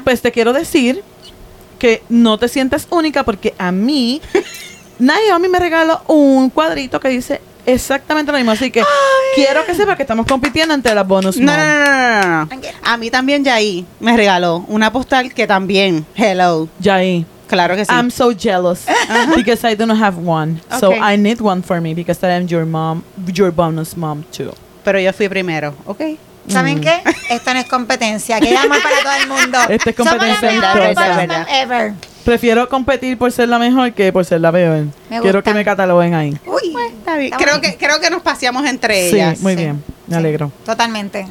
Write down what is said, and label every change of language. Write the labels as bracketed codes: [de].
[es] Pues te quiero decir que no te sientas única porque a mí, Naomi me regaló un cuadrito que dice exactamente lo mismo. Así que quiero que sepa que estamos compitiendo entre las bonus mom. No. A mí también Yai me regaló una postal que también, hello. Yai. Claro que sí. [en] I'm so jealous because I don't have one. Okay. So I need one for me because I am your mom, your bonus mom too. [es] Pero yo fui primero, ¿ok? ¿Saben qué? Esto no es competencia, que llama para todo el mundo. Esta es competencia. Somos la mejor bonus mom ever. Prefiero competir por ser la mejor que por ser la peor. Quiero que me cataloguen ahí. Uy, pues, está bien. Creo que nos paseamos entre ellas. Sí, muy bien. Me alegro. Totalmente.